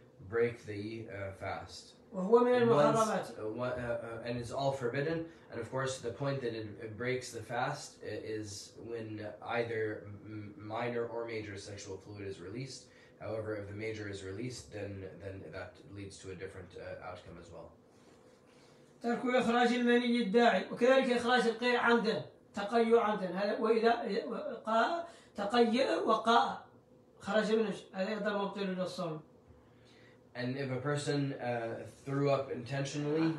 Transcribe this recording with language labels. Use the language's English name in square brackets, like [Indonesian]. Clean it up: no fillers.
[English] To derive pleasure through masturbation, all of this would break the fast. And it's all forbidden. And of course, the point that it breaks the fast is when either minor or major sexual fluid is released. However, if the major is released, then that leads to a different outcome as well. [Arabic] ترك إخراج المني الداعي وكذلك إخراج القيء عمدا تقيء عمدا هذا وإذا قاء تقيء وقاء خرج منه هذا أيضا مبطل للصوم. [English] And if a person threw up intentionally,